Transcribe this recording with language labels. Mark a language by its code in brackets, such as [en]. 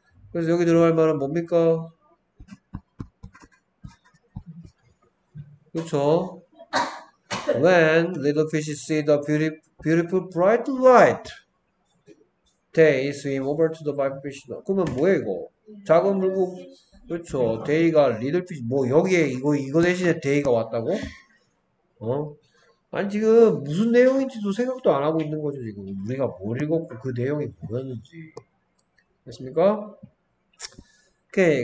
[ko] 그래서 여기 들어갈 말은 뭡니까? 그렇죠. [en] When little fishes see the beautiful bright light, they swim over to the big fish. [ko] 그러면 뭐예요 이거? 작은 물고기. 그렇죠. Day가 little fish. 뭐 여기에 이거 대신에 day가 왔다고? 어? 아니 지금 무슨 내용인지도 생각도 안 하고 있는 거죠 지금. 우리가 뭘 읽었고 그 내용이 뭐였는지. 됐습니까? 오케이.